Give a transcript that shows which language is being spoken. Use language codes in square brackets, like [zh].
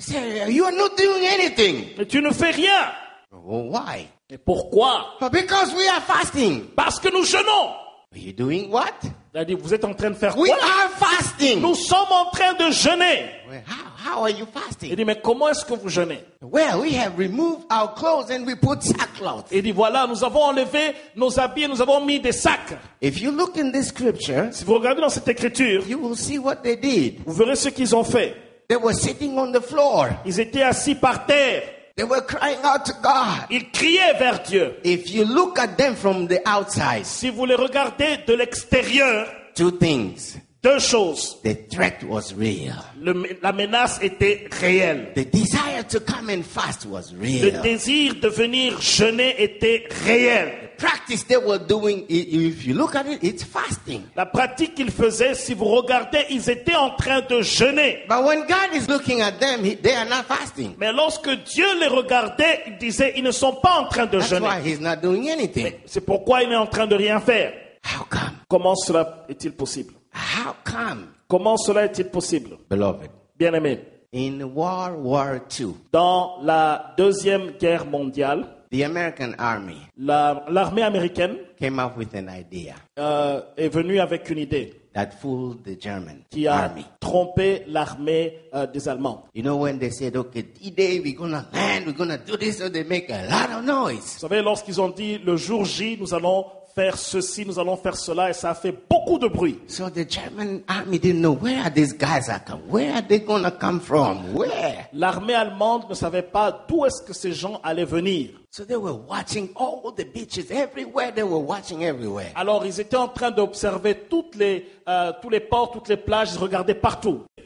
[en] You are not doing anything. [fr] Mais tu ne fais rien. [en] Well, why? [fr] Et pourquoi? [en] Because we are fasting. [fr] Parce que nous jeûnons. [en] Are you doing what? [fr] C'est-à-dire, vous êtes en train de faire [en] we [fr] quoi? [en] We are fasting. [fr] Nous sommes en train de jeûner. [en] Well, how are you fasting? [fr] Il dit, mais comment est-ce que vous jeûnez? [en] Well, we have removed our clothes and we put sackcloth. [fr] Il dit, voilà, nous avons enlevé nos habits et nous avons mis des sacs. [en] If you look in this scripture, [fr] si vous regardez dans cette écriture, [en] you will see what they did. [fr] Vous verrez ce qu'ils ont fait. [en] They were sitting on the floor. [fr] Ils étaient assis par terre. [en] They were crying out to God. [fr] Ils criaient vers Dieu. [en] If you look at them from the outside, [fr] si vous les regardez de l'extérieur, [en] two things. [fr] Deux choses. [en] The threat was real. [fr] La menace était réelle. [en] The desire to come and fast was real. [fr] Le désir de venir jeûner était réel. [en] The practice they were doing, if you look at it, it's fasting. [fr] La pratique qu'ils faisaient, si vous regardez, ils étaient en train de jeûner. [en] But when God is looking at them, they are not fasting. [fr] Mais lorsque Dieu les regardait, il disait, ils ne sont pas en train de [en] That's [fr] jeûner. [en] That's why he's not doing anything. [fr] Mais c'est pourquoi il est en train de rien faire. [en] How come? [fr] Comment cela est-il possible? [en] How come? [fr] Comment cela est-il possible? [en] Beloved. [fr] Bien-aimé. [en] In World War II. [fr] Dans la Deuxième Guerre mondiale. [en] The American Army. [fr] L'armée américaine. [en] Came up with an idea. [fr] Est venue avec une idée. [en] That fooled the German [fr] qui a [en] army. [fr] Trompé l'armée des Allemands. [en] You know when they said, okay, D-Day, we're gonna land, we're gonna do this, so they make a lot of noise. [fr] Vous savez, lorsqu'ils ont dit, le jour J, nous allons faire ceci, nous allons faire cela, et ça a fait beaucoup de bruit. [en] So the German army didn't know where are these guys are coming, where are they going to come from, where? [fr] L'armée allemande ne savait pas d'où est-ce que ces gens allaient venir. [en] So they were watching all the beaches everywhere. They were watching everywhere. [fr] Alors ils étaient en train d'observer toutes les tous les ports, toutes les plages. Ils regardaient partout.